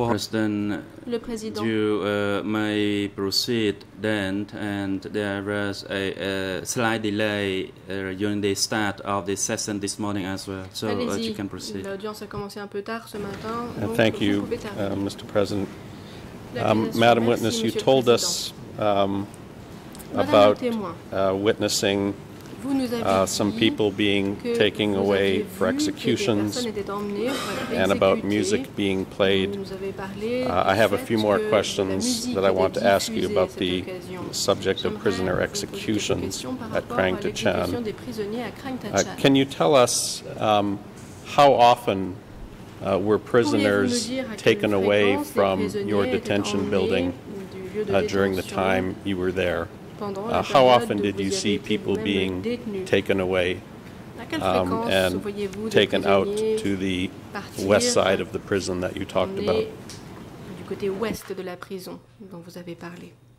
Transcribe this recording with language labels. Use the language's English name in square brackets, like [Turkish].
[English] President, you may proceed then, and there was a slight delay during the start of the session this morning as well, so you can proceed. [French] L'audience a commencé un peu tard ce matin, donc [English] thank you, Mr. President. Madam Witness, you told us about witnessing some people being taken away for executions and about music being played. I have a few more questions that I want to ask you about the subject of prisoner executions at Krang Te Chan. Can you tell us how often were prisoners taken away from your detention building during the time you were there? How often did you see people being taken away and taken out to the west side of the prison that you talked about? [French] Du côté ouest de la prison dont vous avez parlé.